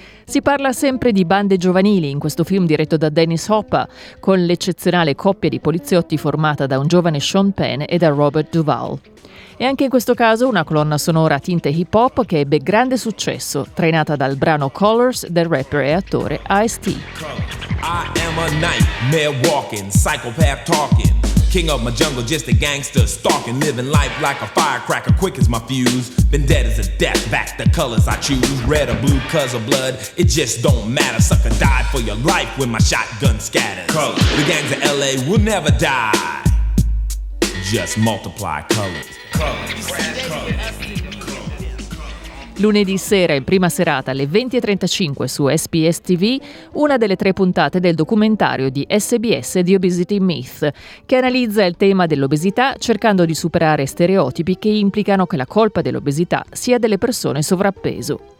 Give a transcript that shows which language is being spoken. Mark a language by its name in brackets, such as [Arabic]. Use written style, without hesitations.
[Italian] Si parla sempre di bande giovanili in questo film diretto da Dennis Hopper, con l'eccezionale coppia di poliziotti formata da un giovane Sean Penn e da Robert Duvall. E anche in questo caso una colonna sonora a tinte hip hop che ebbe grande successo, trainata dal brano Colors del rapper e attore Ice-T. [English] I am a nightmare walking, psychopath talking. King of my jungle, just a gangster stalking, living life like a firecracker, quick as my fuse. Vendetta's a death, back the colors I choose. Red or blue, cuz of blood, it just don't matter. Sucker died for your life when my shotgun scatters. Colors. The gangs of LA will never die, just multiply colors. Colors. [Italian] Lunedì sera, in prima serata, alle 20:35 su SBS TV, una delle tre puntate del documentario di SBS The Obesity Myth, che analizza il tema dell'obesità cercando di superare stereotipi che implicano che la colpa dell'obesità sia delle persone sovrappeso.